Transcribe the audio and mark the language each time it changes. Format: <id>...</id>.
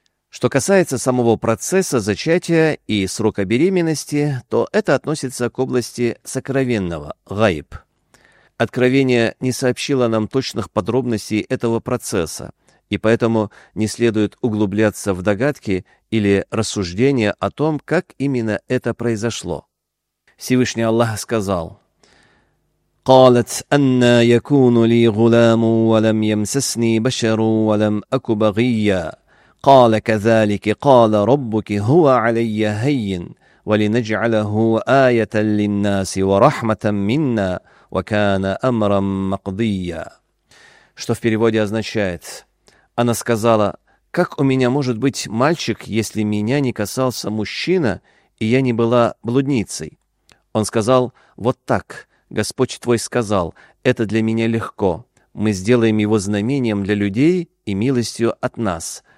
<ru>Что касается самого процесса зачатия и срока беременности, то это относится к области сокровенного, гайб. Откровение не сообщило нам точных подробностей этого процесса, и поэтому не следует углубляться в догадки или рассуждения о том, как именно это произошло. Всевышний Аллах сказал:</ru> <ar>قالت أن يكون لي غلام ولم يمسسني بشر ولم أك بغيا قال كذلك قال ربك هو علي هين ولنجعله آية للناس ورحمة منا وكان أمرا مقضيا.</ar> <ru>Что в переводе означает: она сказала: как у меня может быть мальчик, если меня не касался мужчина и я не была блудницей? Он сказал: «Вот так, Господь твой сказал, это для меня легко. Мы сделаем его знамением для людей и милостью от нас.</ru>